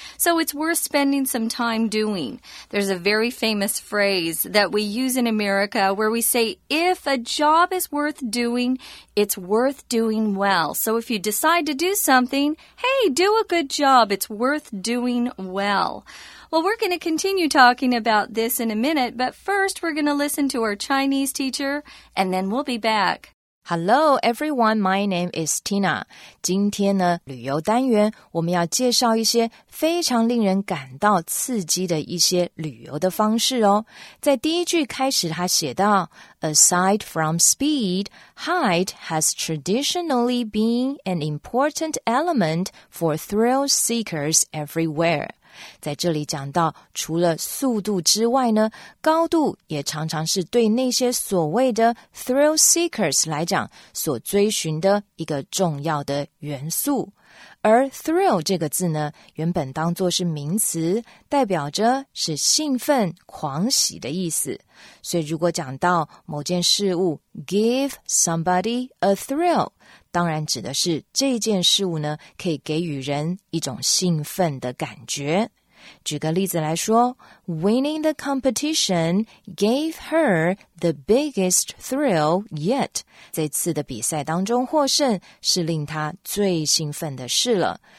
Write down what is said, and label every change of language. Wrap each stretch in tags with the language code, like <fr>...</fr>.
<en>So it's worth spending some time doing. There's a very famous phrase that we use in America where we say, if a job is worth doing, it's worth doing well. So if you decide to do something, hey, do a good job. It's worth doing well. Well, we're going to continue talking about this in a minute, but first we're going to listen to our Chinese teacher, and then we'll be back. Hello, everyone. My name is Tina.</en> <zh>今天呢，旅游单元我们要介绍一些非常令人感到刺激的一些旅游的方式哦。在第一句开始，他写到</zh> <en>：Aside from speed, height has traditionally been an important element for thrill seekers everywhere.</en> <zh>在这里讲到除了速度之外呢，高度也常常是对那些所谓的 thrill seekers 来讲所追寻的一个重要的元素。而 thrill 这个字呢，原本当作是名词，代表着是兴奋、狂喜的意思。所以如果讲到某件事物</zh> <en>give somebody a thrill，</en> <zh>当然指的是这件事物呢，可以给予人一种兴奋的感觉。举个例子来说</zh> <en>,winning the competition gave her the biggest thrill yet.</en> <zh>这次的比赛当中获胜是令她最兴奋的事了。</zh>